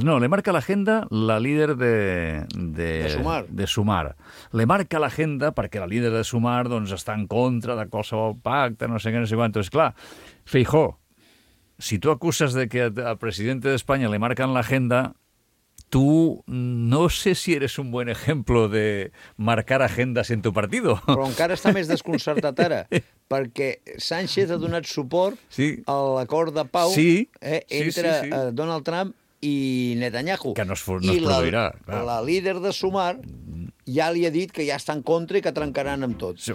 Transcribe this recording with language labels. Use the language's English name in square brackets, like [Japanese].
[Spanish] No, le marca l'agenda la líder de Sumar. [Catalan] Le marca l'agenda perquè la líder de Sumar doncs està en contra de qualsevol pacte, no sé què, no sé quant. És clar, Feijó, [Spanish] si tú acusas de que al presidente de España le marcan la agenda, tú no sé si eres un buen ejemplo de marcar agendas en tu partido. [Catalan] Però encara està més desconcertat ara, perquè Sánchez ha donat suport sí. a l'acord de pau sí. Entre Donald Trump i Netanyahu. Que no es, no es produirà. La líder de Sumar ja li ha dit que ja està en contra i que trencaran amb tots.